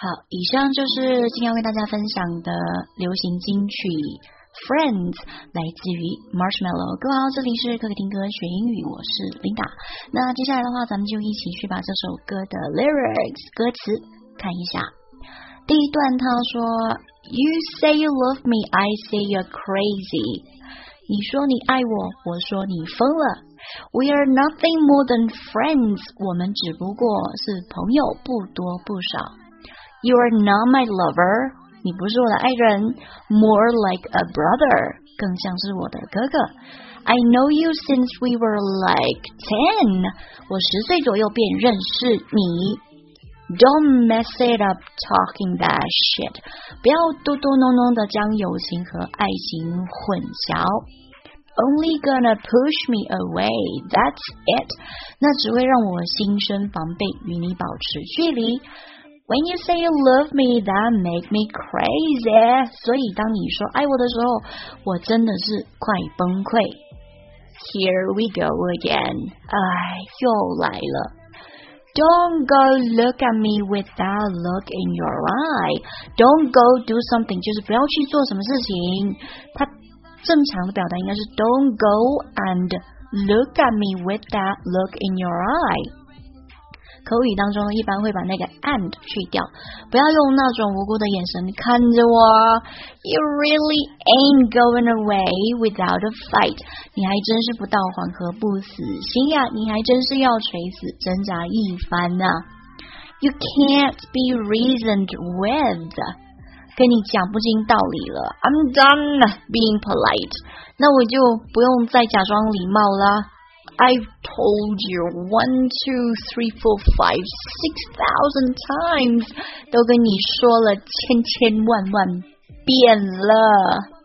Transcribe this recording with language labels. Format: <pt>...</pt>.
<zh>以上就是今天要跟大家分享的流行金曲 Friends， 来自于 Marshmallow。各位好，这里是可可听歌学英语，我是 Linda。那接下来的话，咱们就一起去把这首歌的 lyrics 歌词看一下。第一段他说</zh> <en>You say you love me, I say you're crazy。</en> <zh>你说你爱我，我说你疯了。</zh> <en>We are nothing more than friends，</en> <zh>我们只不过是朋友，不多不少。</zh> <en>You are not my lover，</en> <zh>你不是我的爱人。</zh> <en>More like a brother，</en> <zh>更像是我的哥哥。</zh> <en>I know you since we were like 10，</en> <zh>我十岁左右便认识你。</zh> <en>Don't mess it up talking that shit，</en> <zh>不要嘟嘟囔囔的将友情和爱情混淆。</zh> <en>Only gonna push me away, that's it，</en> <zh>那只会让我心生防备，与你保持距离。</zh> <en>When you say you love me, that make me crazy.</en> <zh>所以当你说爱我的时候，我真的是快崩溃。</zh> <en>Here we go again.</en> <zh>哎，又来了。</zh> <en>Don't go look at me with that look in your eye. Don't go do something,</en> <zh>就是不要去做什么事情。它正常的表达应该是</zh> <en>Don't go and look at me with that look in your eye.</en> <zh>口语当中一般会把那个 and 去掉，不要用那种无辜的眼神看着我。</zh> <en>You really ain't going away without a fight，</en> <zh>你还真是不到黄河不死心呀，你还真是要垂死挣扎一番呢。</zh> <en>You can't be reasoned with，</en> <zh>跟你讲不清道理了</zh> <en>I'm done being polite</en> <zh>那我就不用再假装礼貌了</zh> <en>I've told you 1, 2, 3, 4, 5, 6,000 times</en> <zh>都跟你说了千千万万遍了</zh>